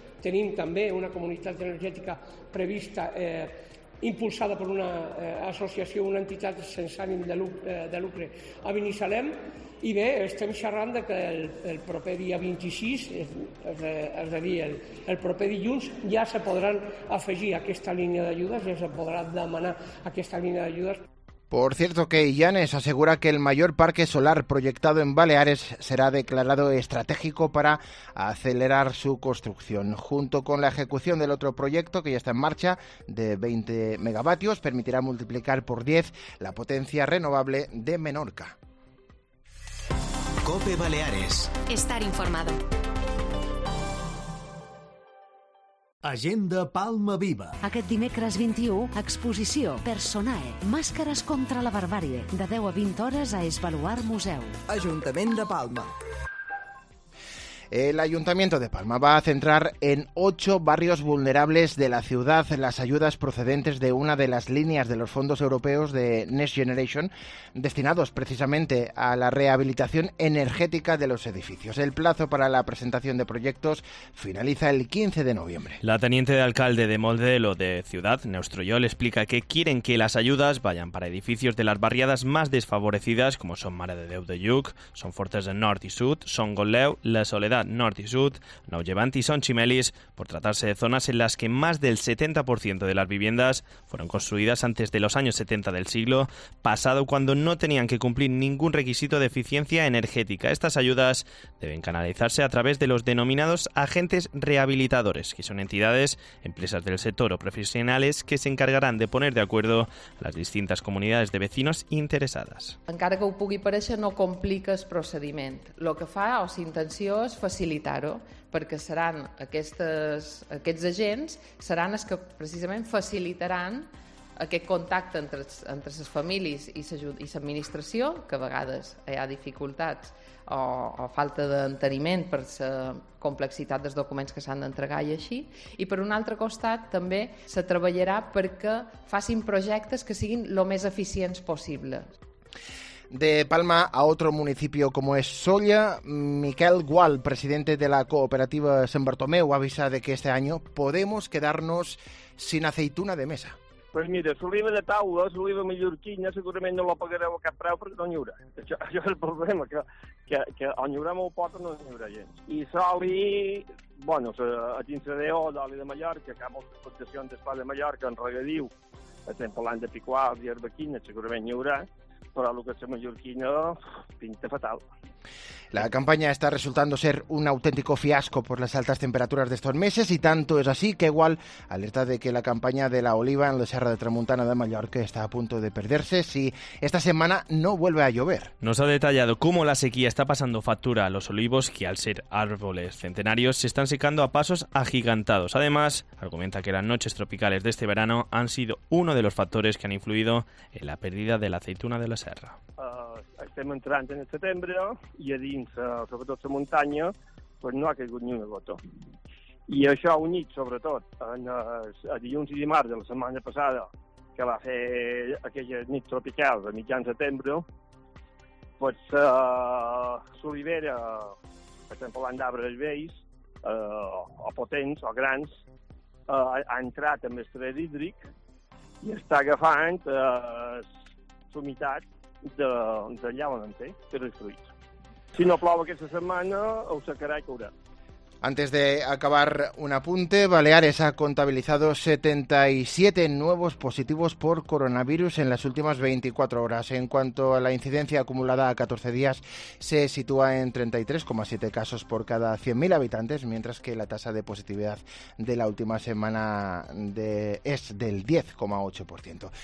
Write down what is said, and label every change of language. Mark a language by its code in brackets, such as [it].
[ca] Tenim també una comunitat energètica prevista, impulsada per una associació, una entitat sense ànim de lucre a Binissalem. I bé, estem xerrant que el proper dia 26, és a dir, el proper dilluns, ja se podran afegir aquesta línia d'ajudes, ja se podrà demanar aquesta línia d'ajudes. [es] Por cierto que Illanes asegura que el mayor parque solar proyectado en Baleares será declarado estratégico para acelerar su construcción. Junto con la ejecución del otro proyecto, que ya está en marcha, de 20 megavatios, permitirá multiplicar por 10 la potencia renovable de Menorca. COPE Baleares. Estar informado. Agenda Palma Viva. [ca] Aquest dimecres 21, exposició Personae, màscares contra la barbàrie, de 10 a 20 hores a Esbaluar Museu. Ajuntament de Palma. [es] El Ayuntamiento de Palma va a centrar en 8 barrios vulnerables de la ciudad las ayudas procedentes de una de las líneas de los fondos europeos de Next Generation, destinados precisamente a la rehabilitación energética de los edificios. El plazo para la presentación de proyectos finaliza el 15 de noviembre. La teniente de alcalde de Modelo de Ciudad, Neustroyol, explica que quieren que las ayudas vayan para edificios de las barriadas más desfavorecidas, como son Mare de Déu de Lluc, Son Fortes del Nord y Sud, Son Gotleu, La Soledad, Nord y Sud, Nou Llevant y Son Chimelis, por tratarse de zonas en las que más del 70% de las viviendas fueron construidas antes de los años 70 del siglo pasado, cuando no tenían que cumplir ningún requisito de eficiencia energética. Estas ayudas deben canalizarse a través de los denominados agentes rehabilitadores, que son entidades, empresas del sector o profesionales que se encargarán de poner de acuerdo a las distintas comunidades de vecinos interesadas. [ca] Encara que ho pugui parecer, no complica el procediment. Lo que fa, o s'intenció, és facilitar-ho, perquè seran aquests agents seran els que precisament facilitaran aquest contacte entre les famílies i l'administració, que a vegades hi ha dificultats o falta d'enteniment per la complexitat dels documents que s'han d'entregar i així. I per un altre costat també se treballarà perquè facin projectes que siguin el més eficients possible. [es] De Palma a otro municipio como es Solla, Miquel Gual, presidente de la cooperativa San Bartomeu, avisa de que este año podemos quedarnos sin aceituna de mesa. [ca] Pues mira, l'oliva de taula, l'oliva mallorquina, segurament no la pagareu a cap preu perquè no n'hi haurà. Això és el problema, que o n'hi haurà molt poc o no n'hi haurà gens. I l'oli, bueno, a dins de Déu, l'oli de Mallorca, que hi ha moltes plantacions d'espai de Mallorca en regadiu, a temps l'any de picuals i herbequines, segurament n'hi haurà. Però el que és mallorquina pinta fatal. [es] La campanya està resultant ser un autèntico fiasco per les altes temperatures d'estos meses i tanto és així que igual alerta de que la campanya de la oliva en la Serra de Tramuntana de Mallorca està a punt de perderse si esta setmana no vuelve a llover. Nos ha detallado cómo la sequía está pasando factura a los olivos que al ser árboles centenarios se están secando a pasos agigantados. Además, argumenta que las noches tropicales de este verano han sido uno de los factores que han influido en la pérdida de la aceituna de la serra. [ca] Estem entrant en setembre i a dins, sobretot la muntanya, pues no ha caigut ni una gota. I això ha unit, sobretot, a dilluns i dimarts de la setmana passada, que va fer aquella nit tropical de mitjan setembre, pues l'olivera, per exemple, l'any d'arbres vells, o potents, o grans, ha entrat en estrès hídric i està agafant l'humitat d'allà on en té, que és el fruit. Si no plou aquesta setmana, ho secarà i caurà. [es] Antes de acabar, un apunte. Baleares ha contabilizado 77 nuevos positivos por coronavirus en las últimas 24 horas. En cuanto a la incidencia acumulada a 14 días, se sitúa en 33,7 casos por cada 100.000 habitantes, mientras que la tasa de positividad de la última semana es del 10,8%.